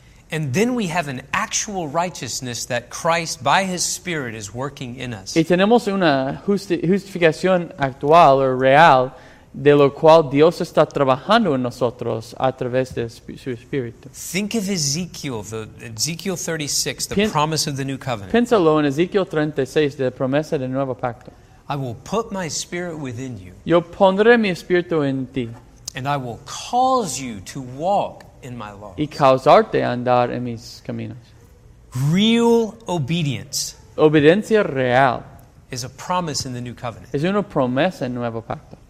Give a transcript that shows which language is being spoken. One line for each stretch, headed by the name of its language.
English: And then we have an actual righteousness that Christ, by His Spirit, is working in us.
Spanish: Y tenemos una justificación actual o real de lo cual Dios está trabajando en nosotros a través de su Espíritu.
English: Think of Ezekiel 36, the promise of the new covenant.
Spanish: Piénsalo en Ezekiel 36, de la promesa del nuevo pacto.
English: I will put my Spirit within you.
Spanish: Yo pondré mi Espíritu en ti.
English: And I will cause you to walk in my laws.
Spanish: Y causarte a andar en mis caminos.
English: Real obedience.
Spanish: Obediencia real.
English: Is a promise in the new covenant.
Spanish: Es una promesa en nuevo pacto.